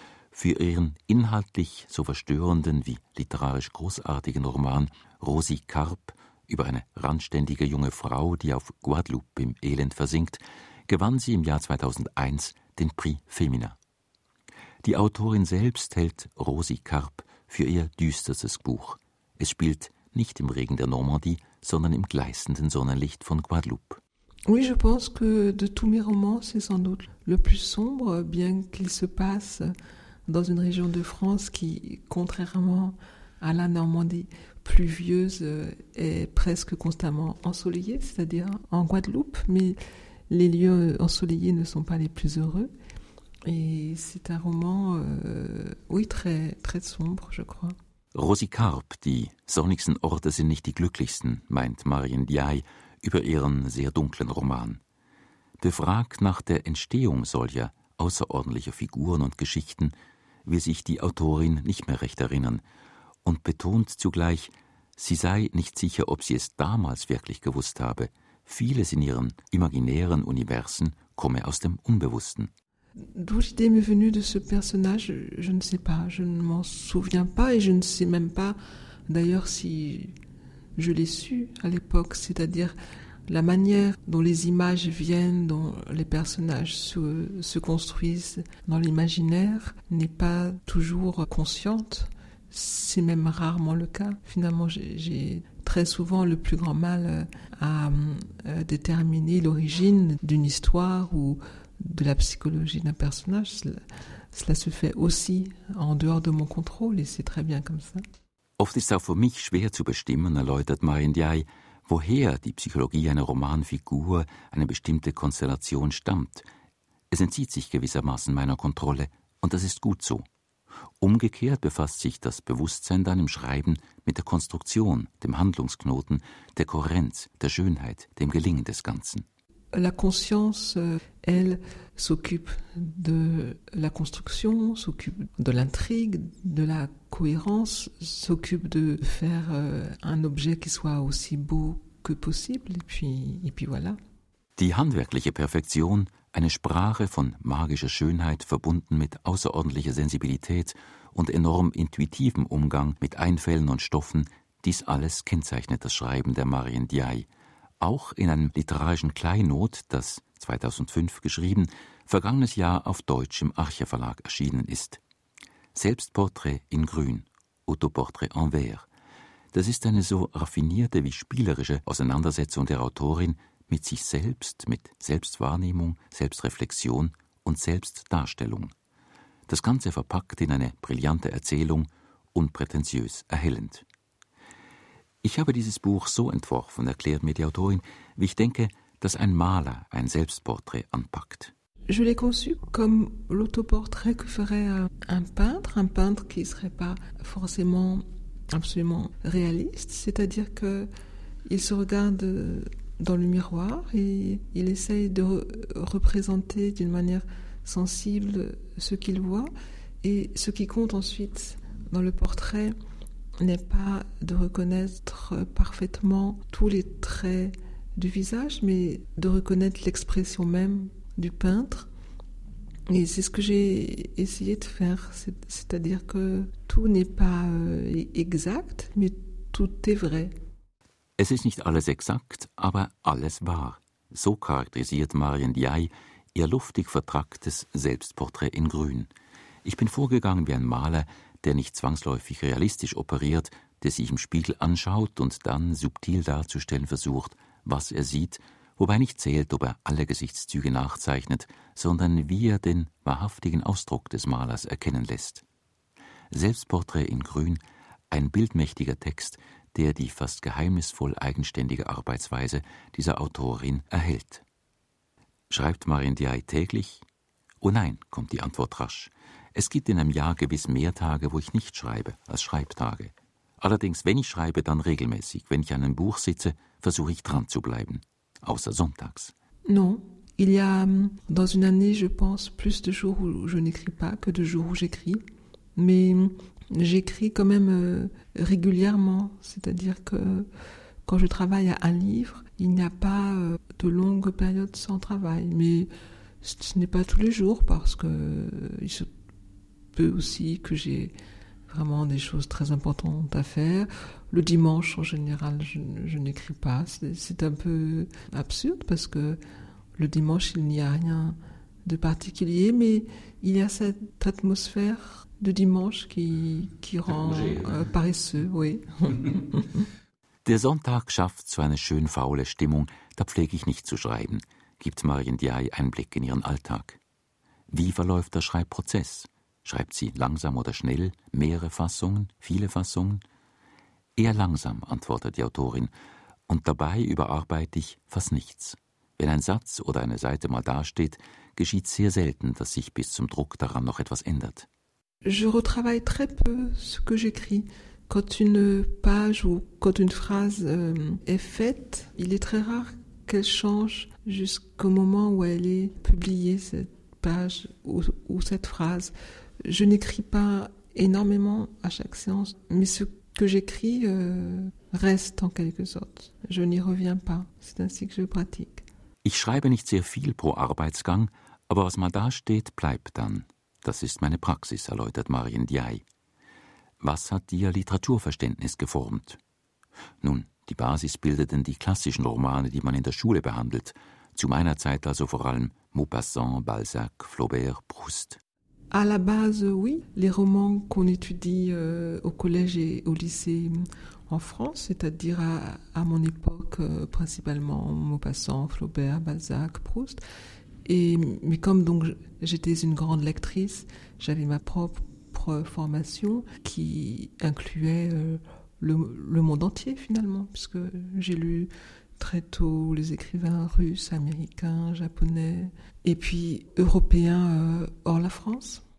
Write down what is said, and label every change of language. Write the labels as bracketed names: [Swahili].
[German] Für ihren inhaltlich so verstörenden wie literarisch großartigen Roman Rosi Karp über eine randständige junge Frau, die auf Guadeloupe im Elend versinkt, gewann sie im Jahr 2001 den Prix Femina. Die Autorin selbst hält Rosi Karp für ihr düsterstes Buch. Es spielt nicht im Regen der Normandie, sondern im gleißenden Sonnenlicht von Guadeloupe. [French] Oui, je pense que de tous mes romans, c'est sans doute le plus sombre, bien qu'il se passe dans une région de France qui, contrairement à la Normandie, pluvieuse est presque constamment ensoleillée, c'est-à-dire en Guadeloupe, mais les lieux ensoleillés ne sont pas les plus heureux. Et c'est un roman, oui, très, très sombre, je crois. [German] Rosi Karp, die sonnigsten Orte sind nicht die glücklichsten, meint Marie Ndiaye über ihren sehr dunklen Roman. Befragt nach der Entstehung solcher außerordentlicher Figuren und Geschichten, will sich die Autorin nicht mehr recht erinnern, und betont zugleich, sie sei nicht sicher, ob sie es damals wirklich gewusst habe. Vieles in ihren imaginären Universen komme aus dem Unbewussten. [French] D'où l'idée m'est venue de ce personnage, je ne sais pas, je ne m'en souviens pas et je ne sais même pas d'ailleurs si je l'ai su à l'époque. C'est-à-dire, la manière dont les images viennent, dont les personnages se construisent dans l'imaginaire n'est pas toujours consciente. C'est même rarement le cas. Finalement, j'ai très souvent le plus grand mal à déterminer l'origine d'une histoire ou de la psychologie d'un personnage. Cela se fait aussi en dehors de mon contrôle et c'est très bien comme ça. [German] Oft ist auch für mich schwer zu bestimmen, erläutert Marindjai, woher die Psychologie einer Romanfigur, eine bestimmte Konstellation stammt. Es entzieht sich gewissermaßen meiner Kontrolle und das ist gut so. Umgekehrt befasst sich das Bewusstsein dann im Schreiben mit der Konstruktion, dem Handlungsknoten, der Kohärenz, der Schönheit, dem Gelingen des Ganzen. [French] La conscience, elle, s'occupe de la construction, s'occupe de l'intrigue, de la cohérence, s'occupe de faire un objet qui soit aussi beau que possible, et puis voilà. [German] Die handwerkliche Perfektion, eine Sprache von magischer Schönheit verbunden mit außerordentlicher Sensibilität und enorm intuitivem Umgang mit Einfällen und Stoffen, dies alles kennzeichnet das Schreiben der Marien Diay. Auch in einem literarischen Kleinod, das 2005 geschrieben, vergangenes Jahr auf Deutsch im Arche Verlag erschienen ist. Selbstporträt in Grün, Autoportrait en Vert. Das ist eine so raffinierte wie spielerische Auseinandersetzung der Autorin mit sich selbst, mit Selbstwahrnehmung, Selbstreflexion und Selbstdarstellung. Das Ganze verpackt in eine brillante Erzählung, unprätentiös erhellend. Ich habe dieses Buch so entworfen, erklärt mir die Autorin, wie ich denke, dass ein Maler ein Selbstporträt anpackt. [French] Je l'ai conçu comme l'autoportrait que ferait un peintre qui serait pas forcément absolument réaliste, c'est-à-dire que il se regarde dans le miroir et il essaye de représenter d'une manière sensible ce qu'il voit et ce qui compte ensuite dans le portrait n'est pas de reconnaître parfaitement tous les traits du visage, mais de reconnaître l'expression même du peintre. Et c'est ce que j'ai essayé de faire, c'est-à-dire que tout n'est pas exact, mais tout est vrai. [German] Es ist nicht alles exakt, aber alles wahr. So charakterisiert Marien Diay ihr luftig vertracktes Selbstporträt in Grün. Ich bin vorgegangen wie ein Maler, der nicht zwangsläufig realistisch operiert, der sich im Spiegel anschaut und dann subtil darzustellen versucht, was er sieht, wobei nicht zählt, ob er alle Gesichtszüge nachzeichnet, sondern wie er den wahrhaftigen Ausdruck des Malers erkennen lässt. Selbstporträt in Grün, ein bildmächtiger Text, der die fast geheimnisvoll eigenständige Arbeitsweise dieser Autorin erhält. Schreibt Marien Diay täglich? Oh nein, kommt die Antwort rasch. Es gibt in einem Jahr gewiss mehr Tage, wo ich nicht schreibe, als Schreibtage. Allerdings, wenn ich schreibe, dann regelmäßig. Wenn ich an einem Buch sitze, versuche ich dran zu bleiben. Außer sonntags. [French] Non, il y a dans une année, je pense, plus de jours où je n'écris pas que de jours où j'écris. Mais j'écris quand même régulièrement. C'est-à-dire que quand je travaille à un livre, il n'y a pas de longue période sans travail. Mais ce n'est pas tous les jours parce que aussi que j'ai vraiment des choses très importantes à faire. Le dimanche, en général, je n'écris pas. C'est un peu absurde parce que le dimanche, il n'y a rien de particulier, mais il y a cette atmosphère de dimanche qui rend paresseux, oui. [German] Der Sonntag schafft so eine schön faule Stimmung, da pflege ich nicht zu schreiben, gibt Marien Diay einen Blick in ihren Alltag. Wie verläuft der Schreibprozess? Schreibt sie langsam oder schnell, mehrere Fassungen, viele Fassungen? Eher langsam, antwortet die Autorin, und dabei überarbeite ich fast nichts. Wenn ein Satz oder eine Seite mal dasteht, geschieht sehr selten, dass sich bis zum Druck daran noch etwas ändert. [French] Je retravaille très peu ce que j'écris. Quand une page ou quand une phrase est faite, il est très rare qu'elle change jusqu'au moment où elle est publiée, cette page ou cette phrase. Je n'écris pas énormément à chaque séance, mais ce que j'écris reste en quelque sorte. Je n'y reviens pas. C'est ainsi que je pratique. [German] Ich schreibe nicht sehr viel pro Arbeitsgang, aber was mal dasteht, bleibt dann. Das ist meine Praxis, erläutert Marien Diay. Was hat Ihr Literaturverständnis geformt? Nun, die Basis bildeten die klassischen Romane, die man in der Schule behandelt. Zu meiner Zeit also vor allem Maupassant, Balzac, Flaubert, Proust. [French] À la base, oui, les romans qu'on étudie au collège et au lycée en France, c'est-à-dire à mon époque principalement Maupassant, Flaubert, Balzac, Proust. Et mais comme donc j'étais une grande lectrice, j'avais ma propre formation qui incluait le monde entier finalement, puisque j'ai lu très tôt les écrivains russes, américains, japonais et puis européens hors la France.